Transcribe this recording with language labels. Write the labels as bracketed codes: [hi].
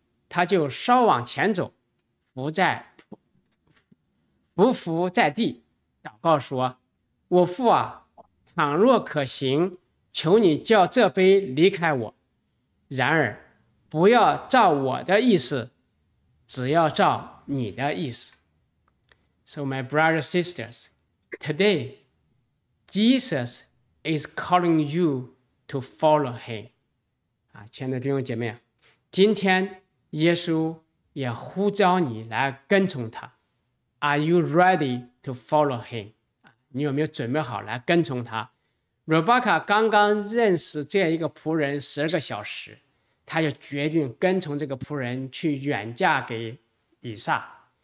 [zh] 他就稍往前走, 伏在地, 祷告说, 我父啊, 倘若可行, 求你叫这杯离开我, 然而, 不要照我的意思，只要照你的意思。 [en] So my brothers and sisters, today, Jesus is calling you to follow him. [zh] 啊，亲爱的弟兄姐妹，今天耶稣也呼召你来跟从他。 [en] Are you ready to follow him? [zh] 你有没有准备好来跟从他？Rebecca 刚刚认识这样一个仆人十二个小时，他就决定跟从这个仆人去远嫁给以撒。